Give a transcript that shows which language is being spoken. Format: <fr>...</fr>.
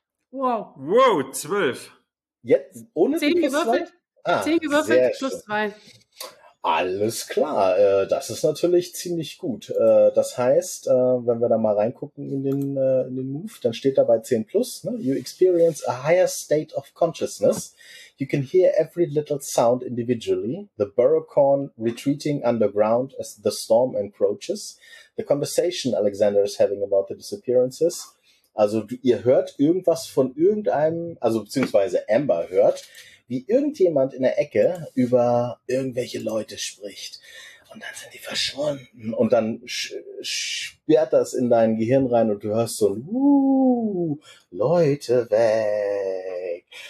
<de>Wow. Wow, 12. Jetzt ohne 10 gewürfelt. 10 gewürfelt, plus 2. Alles klar, das ist natürlich ziemlich gut. Das heißt, wenn wir da mal reingucken in den Move, dann steht da bei 10 plus, ne?</de> <en>You experience a higher state of consciousness. You can hear every little sound individually. The Burrowcorn retreating underground as the storm encroaches. The conversation Alexander is having about the disappearances.</en> <de>Also ihr hört irgendwas von irgendeinem, also beziehungsweise Amber hört, wie irgendjemand in der Ecke über irgendwelche Leute spricht. Und dann sind die verschwunden. Und dann sperrt das in dein Gehirn rein und du hörst so ein Leute weg.</de>